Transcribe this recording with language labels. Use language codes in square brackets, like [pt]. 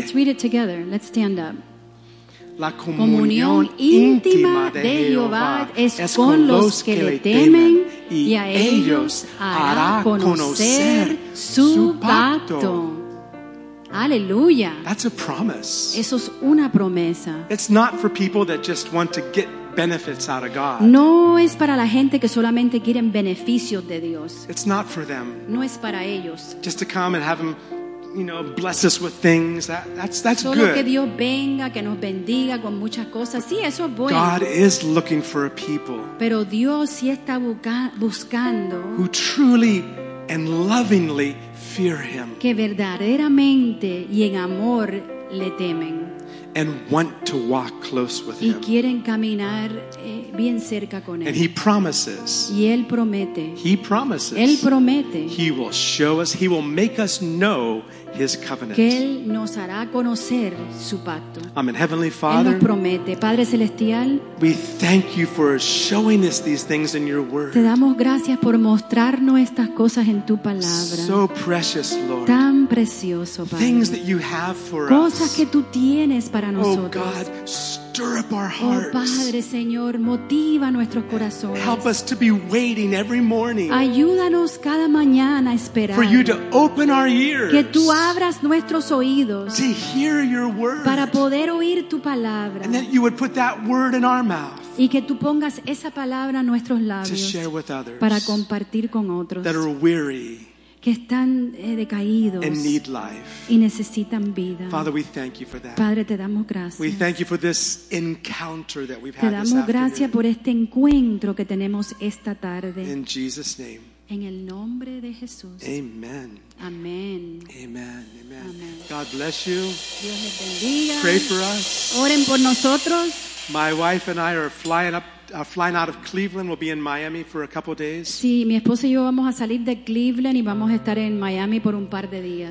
[en] Let's read it together. Let's stand up. [es] La comunión íntima de Jehová es con los que le temen y a ellos hará conocer su pacto. Aleluya. [en] That's a promise. [es] Eso es una promesa. [en] It's not for people that just want to get benefits out of God. [es] No es para la gente que solamente quieren beneficios de Dios. [en] It's not for them. [es] No es para ellos. [en] Just to come and have them, you know, bless us with things. That's [es] solo [en] good. [es] Solo que Dios venga, que nos bendiga con muchas cosas. Sí, eso es bueno. [en] God is looking for a people. [es] Pero Dios sí está buscando. [en] Who truly and lovingly fear Him. [es] Que verdaderamente y en amor le temen. [en] And want to walk close with Him. [es] Y quieren caminar bien cerca con él. [en] And He promises. [es] Y él promete. [en] He promises. [es] Él promete. [en] He will show us. He will make us know His covenant. [es] Que él nos hará conocer su pacto. [en] Amen. Heavenly Father. [es] Él nos promete. Padre celestial. [en] We thank you for showing us these things in your word. [es] Te damos gracias por mostrarnos estas cosas en tu palabra. [en] So precious, Lord. [es] Tan precioso, Padre. [en] Things that you have for [es] cosas [en] us. [es] Que tú tienes para oh, nosotros. [en] Oh God, stir up our hearts. [es] Oh Padre, Señor, motiva nuestros corazones. [en] Help us to be waiting every morning. [es] Ayúdanos cada mañana a esperar. [en] For you to open our ears. [es] Que tú abras nuestros oídos. [en] To hear your word. [es] Para poder oír tu palabra. [en] And that you would put that word in our [es] y que tú pongas esa palabra en nuestros labios para compartir con otros que están decaídos y necesitan vida. [en] Father, we thank you for that. [es] Padre, te damos gracias. [en] We thank you for this encounter that we've [es] te [en] had [es] damos gracias [en] afternoon. [es] Por este encuentro que tenemos esta tarde. [en] In Jesus' name. [es] En el nombre de Jesús. [en] Amen. [es] Amen. [en] Amen. Amen. God bless you. [es] Dios les bendiga. [en] Pray for us. [es] Oren por nosotros. [en] My wife and I are flying out of Cleveland. We'll be in Miami for a couple of days. [es] Sí, mi esposa y yo vamos a salir de Cleveland y vamos a estar en Miami por un par de días.